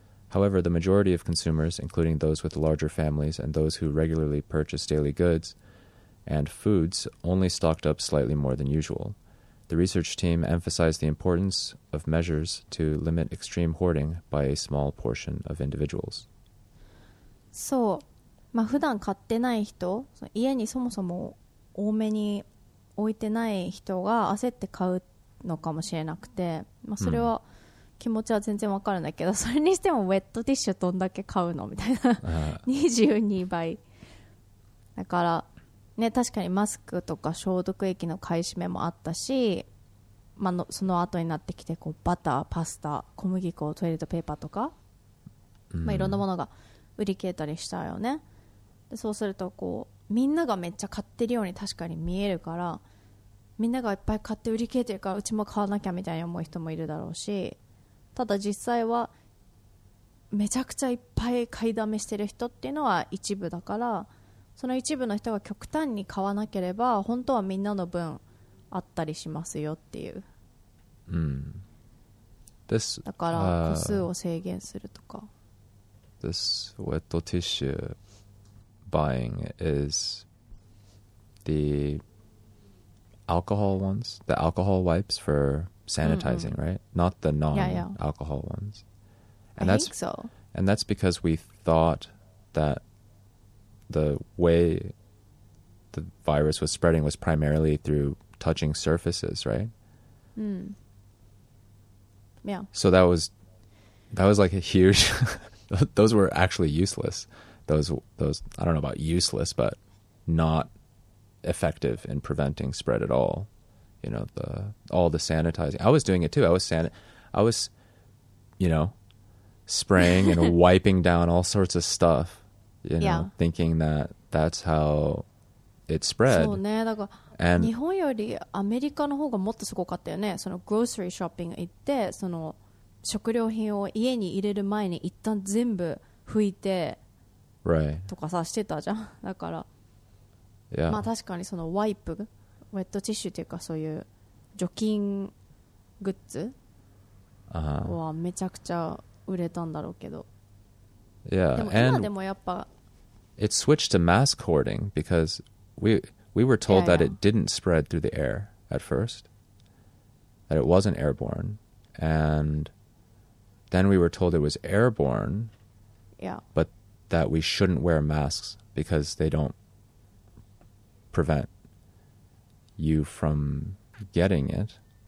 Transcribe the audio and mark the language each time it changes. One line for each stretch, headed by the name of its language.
English: However, the majority of consumers, including those with larger families and those who regularly purchase daily goods and foods, only stocked up slightly more than usual. The research team emphasized the importance of measures to limit extreme hoarding by a small portion of individuals.
Japanese: そう、まあ普段買ってない人、家にそもそも多めに置いてない人が焦って買うのかもしれなくて、まあそれは気持ちは全然わかるんだけど、それにしてもウェットティッシュどんだけ買うのみたいな22倍だからね、確かにマスクとか消毒液の買い占めもあったし、まあ、のその後になってきてこうバター、パスタ、小麦粉、トイレットペーパーとか、まあ、いろんなものが売り切れたりしたよね。でそうするとこうみんながめっちゃ買ってるように確かに見えるから、みんながいっぱい買って売り切れてるからうちも買わなきゃみたいに思う人もいるだろうし、ただ実際はめちゃくちゃいっぱい買いだめしてる人っていうのは一部だから、その一部の人が極端に買わなければ本当はみんなの分あったりしますよっていう。
English: This,
Japanese: だから個数を制限するとか。
English: This wet tissue buying is the alcohol ones, the alcohol wipes for sanitizing, right? Not the non-alcohol ones. And that's, I think so. And that's because we thought that the way the virus was spreading was primarily through touching surfaces, right? Mm. Yeah. So that was like a huge, those were actually useless. Those, I don't know about useless, but not effective in preventing spread at all. You know, all the sanitizing. I was doing it too. I was you know, spraying and wiping down all sorts of stuff, you know, thinking that that's how it spread.
Japanese: そうね、だから、and 日本よりアメリカの方がもっとすごかったよね。そのグロッサリーショッピング行って、その食料品を家に入れる前に一旦全部拭いて、
English: right.
Japanese: とかさしてたじゃん。だから、
English: yeah.
Japanese: まあ確かにそのワイプ、ウェットティッシュっていうかそういう除菌グッズはめちゃくちゃ売れたんだろうけど。
English: Yeah.
Japanese: でも今でもやっぱ、
English: and、it switched to mask hoarding because we were told yeah, yeah. that it didn't spread through the air at first, that it wasn't airborne, and then we were told it was airborne, yeah. but that we shouldn't wear masks because they don't prevent you from getting it.